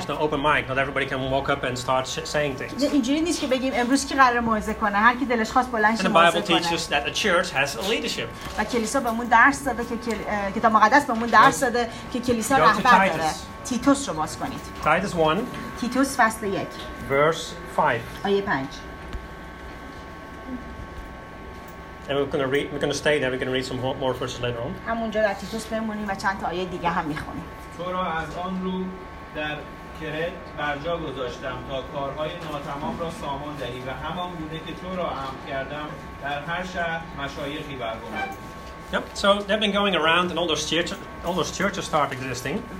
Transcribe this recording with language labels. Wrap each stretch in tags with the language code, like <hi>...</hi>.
<en>There's no open mic, not everybody can walk up and start saying things.</en> <fa>اینجوری نیست که بگیم امروز کی قرار موعظه کنه، هر کی دلش خواست بلند شه موعظه</fa> <en>کنه. The Bible teaches that a church has a leadership.</en> <fa>و کلیسا بهمون درس داده که کتاب مقدس بهمون درس داده که کلیسا رهبر داره. تیتوس رو باز کنید.</fa> <en>Titus 1.</en> <fa>تیتوس فصل 1.</fa> <en>Verse 5.</en> <fa>آیه 5.</fa> <en>And we're going to read, we're going to stay there, we're going to read some more verses later on.</en> <fa>همونجا در تیتوس بمونیم و چند تا آیه دیگه هم میخونیم. تو را از آن رو در کرت برجا گذاشتم تا کارهای ناتمام را سامان دهی و همان گونه که تو را امر کردم در هر شهر مشایخی برگماری.</fa> <en>Yep. So they've been going around, and all those churches start existing.</en>